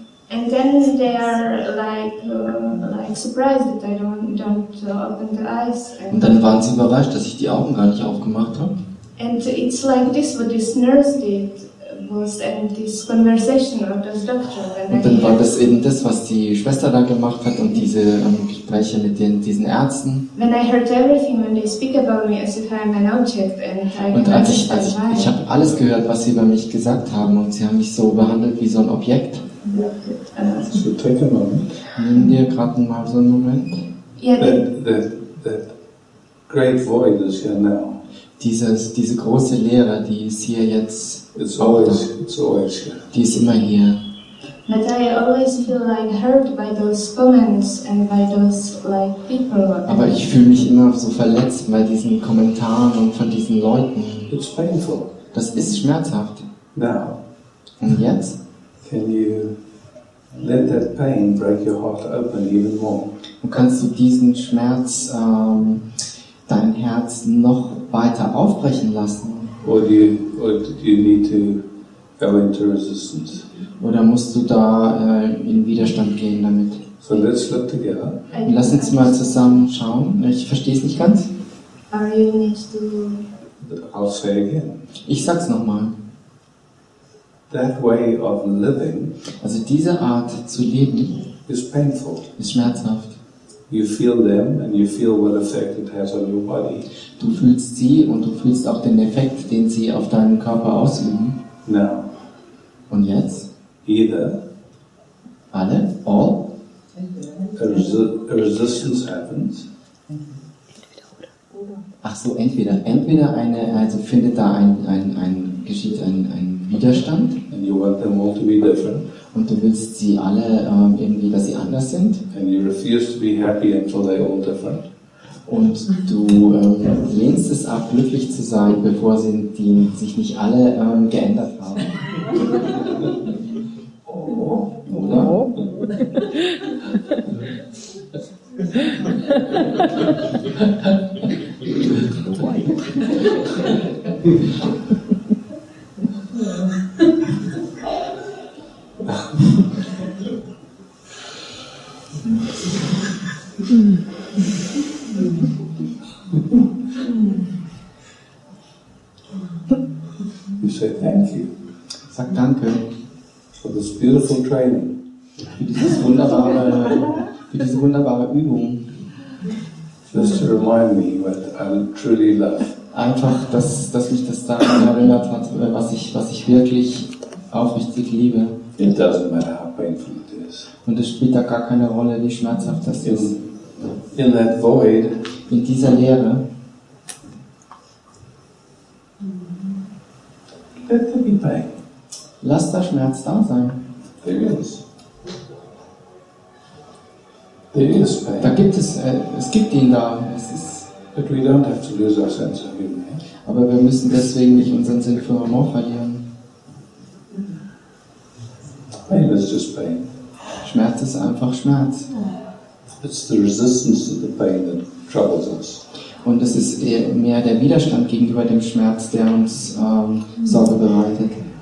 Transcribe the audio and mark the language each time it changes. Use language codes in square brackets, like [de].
[en] And then they are like surprised that I don't open the eyes. [de] Und dann waren sie überrascht, dass ich die Augen gar nicht aufgemacht habe. [en] And it's like this, what this nurse did was, and this conversation of this doctor. [de] Und dann war das eben das, was die Schwester da gemacht hat und diese Gespräche mit diesen Ärzten. [en] When I heard everything, when they speak about me as if I'm an object, and I can't understand why. [de] Und ich habe alles gehört, was sie über mich gesagt haben, und sie haben mich so behandelt wie so ein Objekt. [en] So take a moment. [de] Nimm dir gerade mal so einen Moment. [en] Yeah, that great void is here now. [de] Diese große Leere, die ist hier jetzt. [en] It's always here. [de] Die ist immer hier. [en] But I always feel like hurt by those comments and by those like people. [de] Aber ich fühle mich immer so verletzt bei diesen Kommentaren und von diesen Leuten. [en] It's painful. [de] Das ist schmerzhaft. [en] Now. [de] Und jetzt? [en] Can you let that pain break your heart open even more? [de] Und kannst du diesen Schmerz dein Herz noch weiter aufbrechen lassen? [en] Or do you need to go into resistance? [de] Oder musst du da in Widerstand gehen damit? [en] So let's look together. [de] Lass uns mal zusammen schauen. Ich verstehe es nicht ganz. [en] Are you need to? I'll say again. [de] Ich sag's nochmal. [en] That way of living. [de] Also diese Art zu leben. [en] Is painful. [de] Ist schmerzhaft. [en] You feel them and you feel what effect it has on your body. [de] Du fühlst sie und du fühlst auch den Effekt, den sie auf deinem Körper ausüben. [en] Now. [de] Und jetzt? [en] Either. [de] Alle? All? [en] A resistance happens. [de] Ach so, entweder. Entweder eine, also findet da ein Widerstand. [en] And you want them all to be different. [de] Und du willst sie alle irgendwie, dass sie anders sind. [en] And you refuse to be happy until they are all different. [de] Und du lehnst es ab, glücklich zu sein, bevor sie die sich nicht alle geändert haben. Oder? Oh. [en] You say thank you. [de] Sag danke. [en] For this beautiful training. [de] Für diese wunderbare Übung. [en] Just to remind me what I truly love. [de] Einfach, dass mich das daran erinnert hat, was ich wirklich aufrichtig liebe. [en] It doesn't matter how painful it is. [de] Und es spielt da gar keine Rolle, wie schmerzhaft das ist. [en] In that void, [de] in dieser Leere, [en] let there be pain. [de] Lass der Schmerz da sein. [en] There is. There is pain. [de] Da gibt es, es gibt ihn da. Es ist, [en] but we don't have to lose our sense of humor. [de] Aber wir müssen deswegen nicht unseren Sinn für Humor verlieren. [en] Pain is just pain. [de] Schmerz ist einfach Schmerz. [en] It's the resistance to the pain that troubles us. [de] Und es ist mehr der Widerstand gegenüber dem Schmerz, der uns Sorge bereitet.